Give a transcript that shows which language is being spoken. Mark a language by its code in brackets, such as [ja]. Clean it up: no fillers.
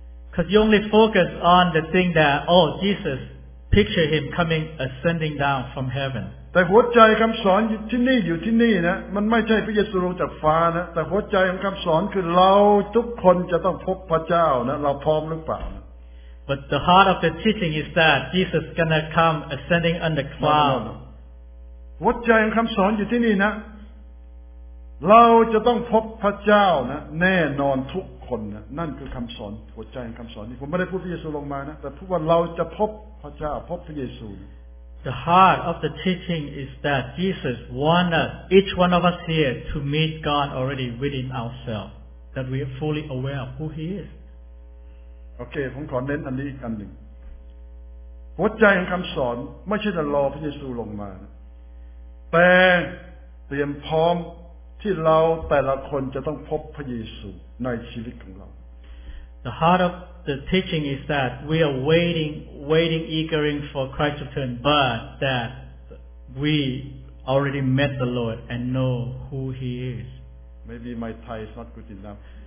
[en] Because you only focus on the thing that, oh, Jesus, picture him coming ascending down from heaven. [th] แต่หัวใจคำสอนที่นี่อยู่ที่นี่นะมันไม่ใช่พระเยซูลงจากฟ้านะแต่หัวใจของคำสอนคือเราทุกคนจะต้องพบพระเจ้านะเราพร้อมหรือเปล่า [en] But the heart of the teaching is that Jesus is gonna come ascending on the cloud. No, no, no. [th] หัวใจของคำสอนอยู่ที่นี่นะเราจะต้องพบพระเจ้านะแน่นอนทุกคนนะนั่นคือคำสอนหัวใจของคำสอนนี่ผมไม่ได้พูดพระเยซูลงมานะแต่พูดว่าเราจะพบพระเจ้าพบพระเยซู [en] The heart of the teaching is that Jesus wanted each one of us here to meet God already within ourselves, that we are fully aware of who He is. [th] Okay, ผมขอเน้นอันนี้อีกอันหนึ่งหัวใจของคำสอนไม่ใช่จะรอพระเยซูลงมาแต่เตรียมพร้อมที่เราแต่ละคนจะต้องพบพระเยซูในชีวิตของเรา [en] The heart ofThe teaching is that we are waiting, eagering for Christ to return, but that we already met the Lord and know who He is. Maybe my Thai is not good enough.